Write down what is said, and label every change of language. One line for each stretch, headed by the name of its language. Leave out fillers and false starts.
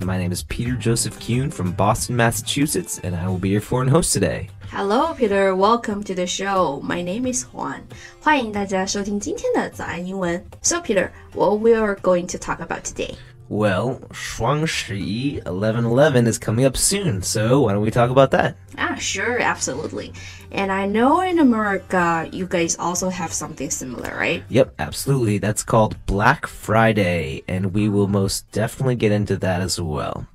English: My name is Peter Joseph Kuhn from Boston, Massachusetts, and I will be your foreign host today. Hello, Peter. Welcome to the show. My name is Juan.
Chinese: 欢迎大家收听今天的早安英文。
English: So, Peter, what we are going to talk about today? Well, 双十一 11/11 is coming up soon, so why don't we talk about that? Ah, sure, absolutely. And I know in America, you guys also have something similar, right? Yep, absolutely. That's called Black Friday, and we will most definitely get into that as well.